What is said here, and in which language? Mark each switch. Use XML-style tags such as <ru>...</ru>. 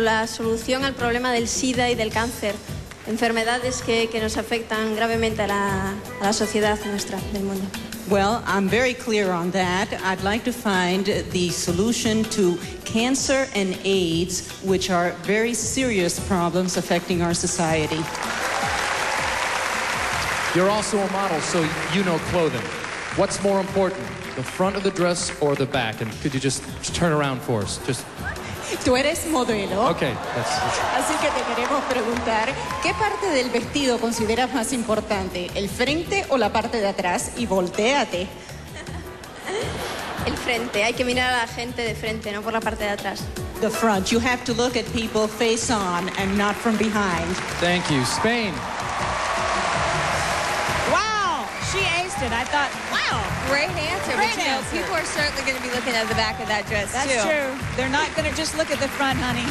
<es>La solución al problema del SIDA y del cáncer. Enfermedades que nos afectan gravemente a la sociedad nuestra del mundo.</es> <en>Well, I'm very clear on that. I'd like to find the solution to cancer and AIDS, which are very serious problems affecting our society. You're also a model, so you know clothing. What's more important, the front of the dress or the back? And could you just turn around for us? Just.</en> <es>Tú eres modelo.</es> <en>Okay, that's...</en> <es>Así que te queremos preguntar, ¿qué parte del vestido consideras más importante, el frente o la parte de atrás? Y voltéate. El frente. Hay que mirar a la gente de frente, no por la parte de atrás.</es> <en>The front. You have to look at people face on and not from behind. Thank you. Spain. Wow, she aced it. I thought, wow. Great answer. People are certainly going to be looking at the back of that dress, That's too. That's true. They're not going to just look at the front, honey.</en>